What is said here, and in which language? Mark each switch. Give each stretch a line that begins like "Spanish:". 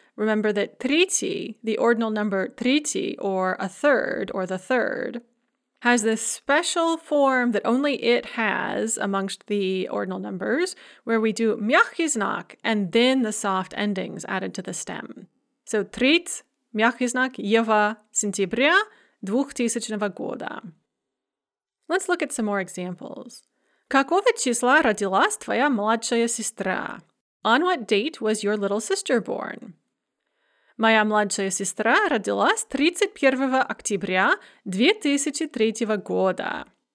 English: Remember that третий, the ordinal number третий, or a third, or the third, has this special form that only it has amongst the ordinal numbers, where we do мягкий знак, and then the soft endings added to the stem.
Russian: So треть, мягкий знак, ева, сентября, двухтысячного года.
English: Let's look at some more examples.
Russian: Какого числа родилась твоя младшая сестра?
English: On what date was your little sister born?
Russian: Моя младшая сестра родилась 31 октября 2003 года.